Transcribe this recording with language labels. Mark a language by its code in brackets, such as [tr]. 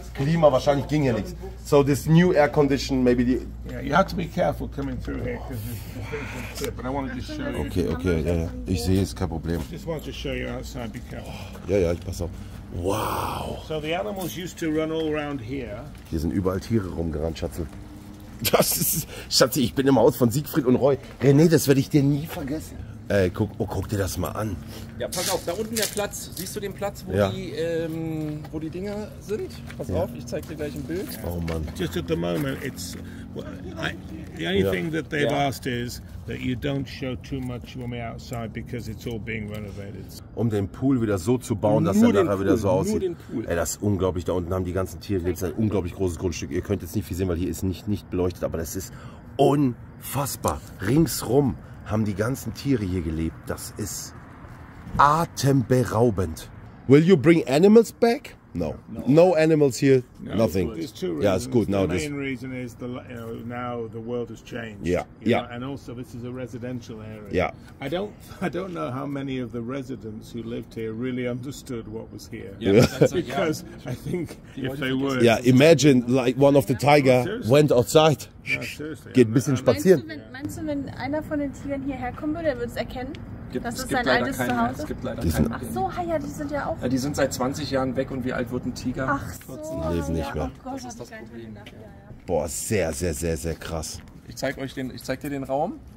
[de] Klima wahrscheinlich ging ja nichts. [en] So, this new air condition, maybe the. Yeah, you have to be careful coming through here, because but I want to just show you. [de] Okay, ich sehe es, kein Problem. [en] I just want to show you outside, be careful. [de] Ja, ich pass auf. Wow! [en] So, the animals used to run all around here. [de] Hier sind überall Tiere rumgerannt, Schatzel. Das ist. Schatzi, ich bin im Haus von Siegfried und Roy. René, das werde ich dir nie vergessen. Ey, guck dir das mal an. Ja, pass auf, da unten der Platz. Siehst du den Platz, wo, wo die Dinger sind? Pass auf, ich zeig dir gleich ein Bild. Oh Mann. [en] Just at the moment, it's. The only thing that they've asked is that you don't show too much when we're outside because it's all being renovated. [de] Um den Pool wieder so zu bauen, dass er nachher wieder so aussieht. Nur den Pool. Ey, das ist unglaublich. Da unten haben die ganzen Tiere. Das ist ein unglaublich großes Grundstück. Ihr könnt jetzt nicht viel sehen, weil hier ist nicht beleuchtet, aber das ist unfassbar. Ringsrum haben die ganzen Tiere hier gelebt. Das ist atemberaubend. [en] Will you bring animals back? No. No animals here? No, nothing. There's two reasons. Yeah, it's good. Now the main reason is now the world has changed. Yeah. And also this is a residential area. Yeah. I don't know how many of the residents who lived here really understood what was here. Yeah. Because I think if they were. Yeah, imagine like one of the tiger went outside. [de] Ja, geht ein bisschen spazieren. Meinst du, wenn einer von den Tieren hierher kommen würde, er würde es erkennen, dass es sein altes Zuhause ist? Es gibt leider keine. Ach so, die sind ja auch. Ja, die sind seit 20 Jahren weg und wie alt wird ein Tiger? Ach so, die leben nicht mehr. Oh Gott, das ist das Problem. Boah, sehr krass. Ich zeig dir den Raum.